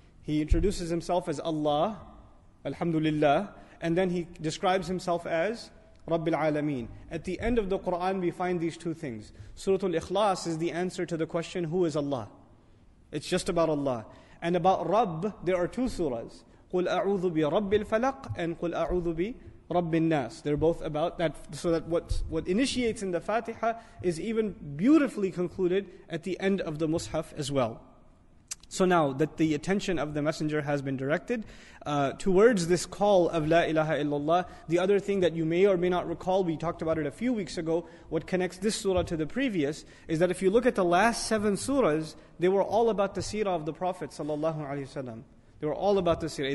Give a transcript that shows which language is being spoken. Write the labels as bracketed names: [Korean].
[English] He introduces himself as Allah, Alhamdulillah, and then he describes himself as Rabbil Alameen. At the end of the Qur'an, we find these two things. Surah Al-Ikhlas is the answer to the question, who is Allah? It's just about Allah. And about Rabb, there are two surahs. [Arabic] قُلْ أَعُوذُ بِرَبِّ الْفَلَقْ [English] and [Arabic] قُلْ أَعُوذُ بِ Rabbin Nas. [English] They're both about that. So that what initiates in the Fatiha is even beautifully concluded at the end of the Mus'haf as well. So now that the attention of the Messenger has been directed towards this call of La ilaha illallah, the other thing that you may or may not recall, we talked about it a few weeks ago, what connects this surah to the previous is that if you look at the last seven surahs, they were all about the seerah of the Prophet sallallahu alaihi wasallam. They were all about the seerah.